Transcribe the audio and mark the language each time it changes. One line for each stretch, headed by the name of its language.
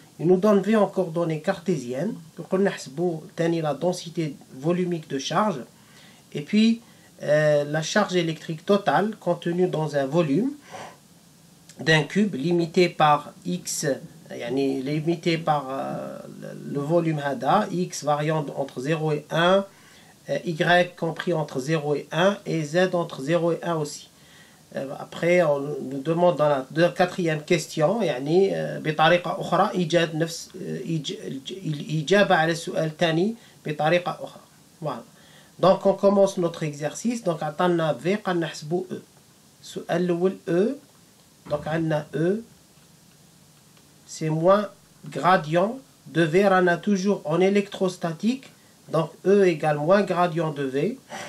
French: Il nous donne V en coordonnées cartésiennes, la densité volumique de charge, et puis la charge électrique totale contenue dans un volume d'un cube limité par X, yani limité par le volume Hada, X variant entre 0 et 1, Y compris entre 0 et 1, et Z entre 0 et 1 aussi. Après, on nous demande dans la quatrième question,
Arabic: yani, بطريقه اخرى, إيجاد نفس, الإجابة على السؤال الثاني بطريقه اخرى.
French: Voilà. Donc, on commence notre exercice.
Arabic: Donc, عطانا V, قلنا نحسبو E. سؤال الأول E.
French: Donc, on a E, c'est moins gradient de V. On a toujours en électrostatique, donc E égale moins gradient de V.